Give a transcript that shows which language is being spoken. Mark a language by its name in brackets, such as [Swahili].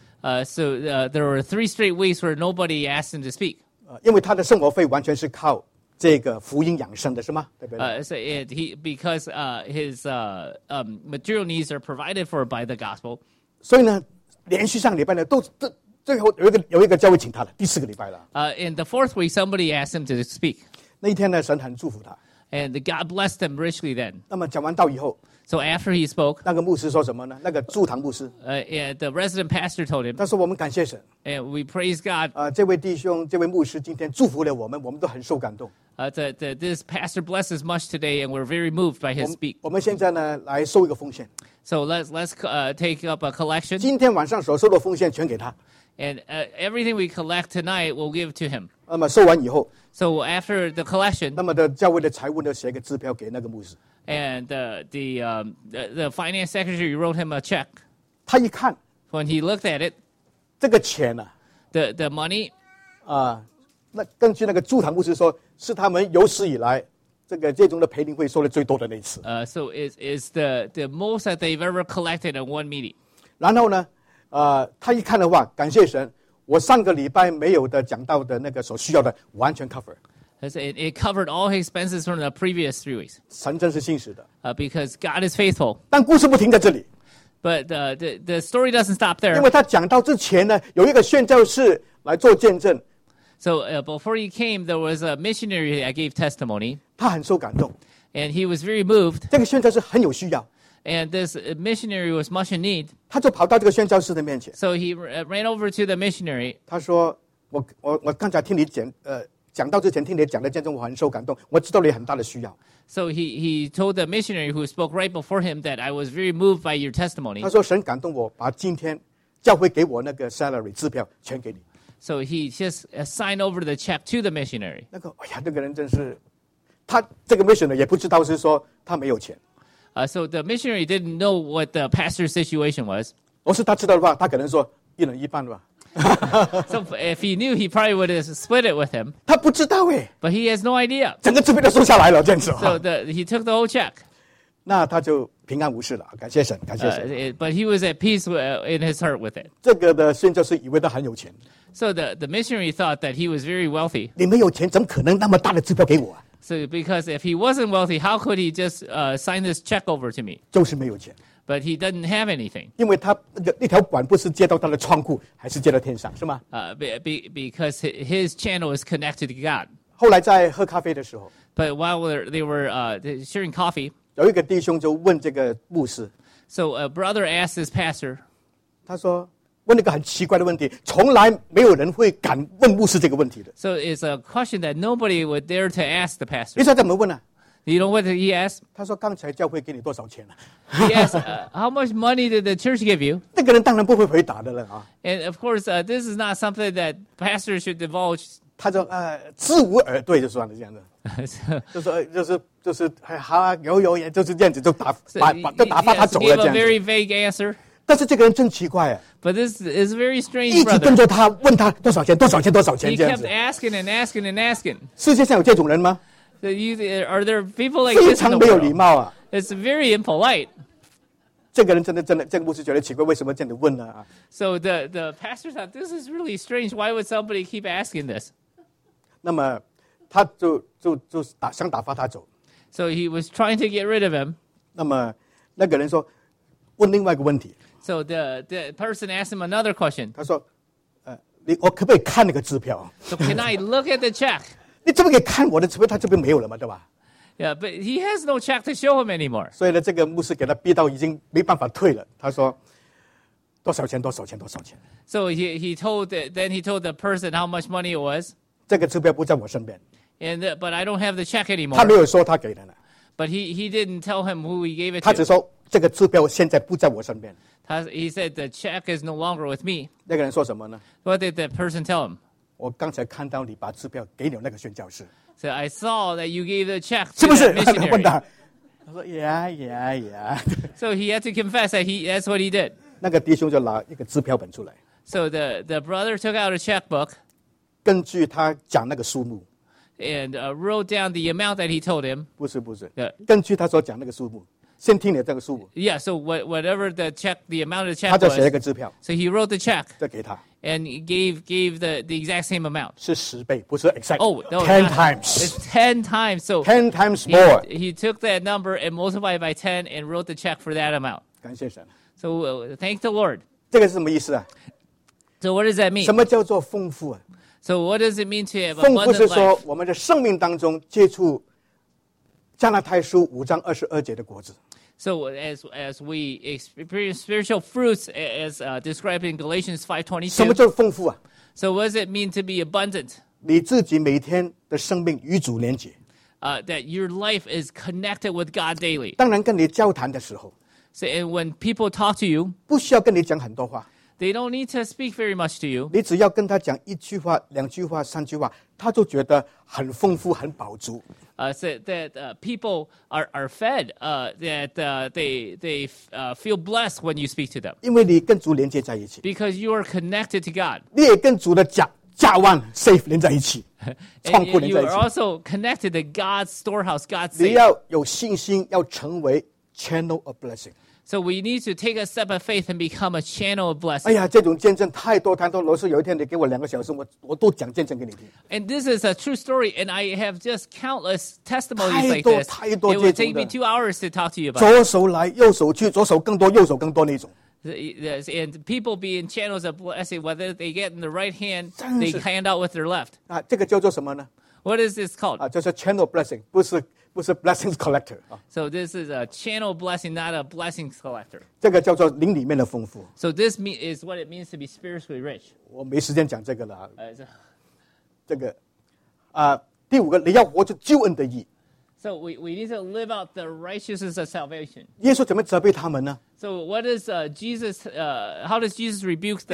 [English] There were three straight weeks where nobody asked him to speak. [Chinese] 因为他的生活费完全是靠。这个福音养生的是吗？ [English] 所以、because his material needs are provided for by the gospel. [Chinese] 所以呢，连续上礼拜呢，都最后有一个教会请他了，第四个礼拜了。 [English] In the fourth week, somebody asked him to speak. [Chinese] 那一天呢，神很祝福他。 [English] And God blessed him richly then. [Chinese] 那么讲完道以后 [English] ，So after he spoke, [Chinese] 那个牧师说什么呢？那个驻堂牧师。 [English] The resident pastor told him. [Chinese] 他说我们感谢神。 [English] And we praise God. [Chinese] 这位弟兄，这位牧师今天祝福了我们，我们都很受感动。 [English] This pastor blesses much today, and we're very moved by his speak. [Chinese] 我们现在呢，来收一个奉献。 [English] So let's take up a collection. [Chinese] 今天晚上所收的奉献全给他。 [English] And everything we collect tonight, we'll give to him. [Chinese] 那么收完以后 [English] ，So after the collection, [Chinese] 那么的教会的财务呢，写一个支票给那个牧师。 [English] And the finance secretary wrote him a check. [Chinese] 他一看 [English] ，When he looked at it, [Chinese] 这个钱啊 [English] ，the money, [Chinese] 那根据那个驻堂牧师说。是他们有史以来这个最终的培灵会收的最多的那次。 [English] So it's the most that they've ever collected in one meeting. [Chinese] 然后呢，他一看的话，感谢神，我上个礼拜没有的讲到的那个所需要的完全 cover. [English] It covered all his expenses from the previous 3 weeks. [Chinese] 神真是信实的。 [English] Because God is faithful. [Chinese] 但故事不停在这里。 [English] But the story doesn't stop there. [Chinese] 因为他讲到之前呢，有一个宣教士来做见证。 [English] So before he came, there was a missionary that gave testimony. [Chinese] 他很受感动。 [English] And he was very moved. [Chinese] 这个宣教士很有需要。 [English] And this missionary was much in need. [Chinese] 他就跑到这个宣教士的面前。 [English] So he ran over to the missionary. [Chinese] 他说，我刚才听你讲，讲到之前听你讲的见证，我很受感动。我知道你很大的需要。 [English] So he told the missionary who spoke right before him that I was very moved by your testimony. [Chinese] 他说，神感动我，把今天教会给我那个 salary 支票全给你。 [English] So he just signed over the check to the missionary. [Chinese] 那个，哎呀，那个人真是他这个 missionary 也不知道是说他没有钱。 [English] So the missionary didn't know what the pastor's situation was. [Chinese] 若是他知道的话，他可能说一人一半吧。 [English] So if he knew, he probably would have split it with him. [Chinese] 他不知道耶。 [English] But he has no idea. [Chinese] 整个支票都收下来了，这样子。 [English] So the, he took the whole check. [Chinese] 那他就平安无事了，感谢神，感谢神。 [English] But he was at peace in his heart with it. [Chinese] 这个的宣教士以为他很有钱。 [English] So the missionary thought that he was very wealthy. [Chinese] 你没有钱，怎么可能那么大的支票给我啊？ [English] So because if he wasn't wealthy, how could he just sign this check over to me? [Chinese] 就是没有钱。 [English] But he doesn't have anything. [Chinese] 因为他那条管不是接到他的窗户，还是接到天上，是吗？ [English] Because his channel is connected to God. [Chinese] 后来在喝咖啡的时候。 [English] But while they were sharing coffee. [Chinese] 有一个弟兄就问这个牧师。 [English] So a brother asked his pastor. [Chinese] 他说问了一个很奇怪的问题，从来没有人会敢问牧师这个问题的。 [English] So it's a question that nobody would dare to ask the pastor. [Chinese] 你说怎么问啊？ [English] You know what he asked? [Chinese] 他说刚才教会给你多少钱了、 [English] 啊、Yes,、how much money did the church give you? [Chinese] 那个人当然不会回答的了、啊、 [English] And of course,、this is not something that pastors should divulge. [Chinese] 他说、自无耳对就算了这样子就说就是好啊有有也就是这样子就打发、so, 他走了这样子 [English] He gave a very vague answer. [Chinese] 但是这个人真奇怪、啊、 [English] But this is a very strange [Chinese] 一直跟着他问他多少钱多少钱多少钱 [English] He kept asking and asking and asking. [Chinese] 世界上有这种人吗？ [English] Are there people like this in the world? It's very impolite. [Chinese] 这个人真的，这个牧师觉得奇怪，为什么这样子问呢？ [English] So the pastor thought, this is really strange. Why would somebody keep asking this? [Chinese] 那么他就打想打发他走。 [English] So he was trying to get rid of him. [Chinese] 那么那个人说，问另外一个问题。 [English] So the person asked him another question. [Chinese] 他说，我可不可以看那个支票？ [English] So can I look at the check? [Chinese] 你这么给看我的支票，他这边没有了嘛，对吧 [English] ？Yeah, but he has no check to show him anymore. [Chinese] 所以呢，这个牧师给他逼到已经没办法退了。他说：“多少钱？多少钱？多少钱 [English] ？”So he told the person how much money it was. [Chinese] 这个支票不在我身边。 [English] But I don't have the check anymore. [Chinese] 他没有说他给的呢。 [English] But he didn't tell him who he gave it to. [Chinese] 他只说这个支票现在不在我身边。 [English] He said the check is no longer with me. [Chinese] 那个人说什么呢 [English] ？What did that person tell him? [Chinese] 我刚才看到你把支票给了那个宣教士。 [English] So I saw that you gave the check to [Chinese] 是不是 [English] that missionary. [Chinese] 问他。他说 Yeah. [English] So he had to confess that that's what he did. [Chinese] 那个弟兄就拿一个支票本出来。 [English] So the brother took out a checkbook. [Chinese] 根据他讲那个数目。 [English] And wrote down the amount that he told him. [Chinese] 不是。根据他所讲那个数目。先听你这个数目。 [English] Yeah, so whatever the check, the amount of the check [Chinese] 他就写一个支票。 [English] So he wrote the check. [Chinese] 再给他。 [English] And gave the exact same amount. [Chinese] 是十倍，不是 exact. [English] Oh, no, ten times. It's ten times. So ten times more. He took that number and multiplied by ten and wrote the check for that amount. [Chinese] 感谢神。 [English] So thank the Lord. [Chinese] 这个是什么意思啊？ [English] So what does that mean? [Chinese] 什么叫做丰富啊？ [English] So what does it mean to have abundant life? [Chinese] 丰富是说我们的生命当中接触加拉太书五章二十二节的果子。 [English] So as we experience spiritual fruits, as described in Galatians 5:22, [Chinese] 什么叫丰富啊? [English] So what does it mean to be abundant? [Chinese] 你自己每天的生命与主连结。 [English] That your life is connected with God daily. [Chinese] 当然跟你交谈的时候。 [English] So and when people talk to you, [Chinese] 不需要跟你讲很多话。 [English] They don't need to speak very much to you. [Chinese] 你只要跟他讲一句话、两句话、三句话，他就觉得很丰富、很饱足。 [English] People are fed, they feel blessed when you speak to them. [Chinese] 因为你跟主连接在一起。 [English] Because you are connected to God. [Chinese] 你也跟主的家湾 safe 连在一起，仓库连在一起。 [English] You are also connected to God's storehouse, God's [Chinese] safe. 你要有信心，要成为 [English] channel of blessing. So we need to take a step of faith and become a channel of blessing. [Chinese] 哎呀，这种见证太多太多。罗斯，有一天你给我两个小时，我都讲见证给你听。 [English] And this is a true story, and I have just countless testimonies like this. [Chinese] 太多这种的。 [English] It would take me 2 hours to talk to you about. [Chinese] 左手来，右手去，左手更多，右手更多那种。 [English] And people being channels of blessing, whether they get in the right hand, they hand out with their left. [Chinese] 啊，这个叫做什么呢？ [English] What is this called? [Chinese] 啊，叫做 [English] channel blessing， [Chinese] 不是 [English] blessings collector. So this is a channel blessing, not a blessings collector. [Chinese] 这个叫做灵里面的丰富。 [English] So this is what it means to be spiritually rich. [Chinese] 我没时间讲这个了。这个，第五个，你要活出救恩的义。 [English] So we need to live out the righteousness of salvation. [Chinese] 耶稣怎么责备他们呢? [English] So what is Jesus, how does Jesus rebuke the